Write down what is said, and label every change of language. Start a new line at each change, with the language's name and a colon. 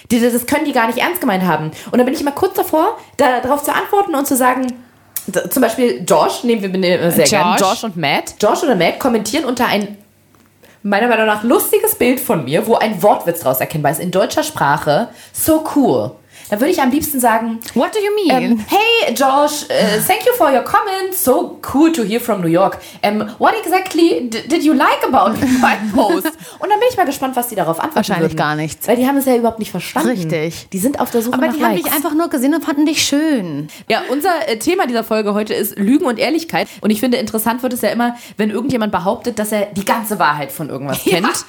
German: Das können die gar nicht ernst gemeint haben. Und dann bin ich immer kurz davor, darauf zu antworten und zu sagen, zum Beispiel Josh, nehmen wir sehr gerne. Josh und Matt. Josh oder Matt kommentieren unter ein, meiner Meinung nach, lustiges Bild von mir, wo ein Wortwitz draus erkennbar ist, in deutscher Sprache. So cool. Dann würde ich am liebsten sagen,
English: what do you mean? Hey Josh, thank you for your comments. So cool to hear from New York. What exactly did you like about my post?
German: Und dann bin ich mal gespannt, was die darauf antworten. Wahrscheinlich würden. Gar nichts. Weil die haben es ja überhaupt nicht verstanden. Richtig. Die sind auf der Suche aber nach Likes. Aber die haben dich einfach nur gesehen und fanden dich schön. Ja, unser Thema dieser Folge heute ist Lügen und Ehrlichkeit. Und ich finde, interessant wird es ja immer, wenn irgendjemand behauptet, dass er die ganze Wahrheit von irgendwas kennt. Ja.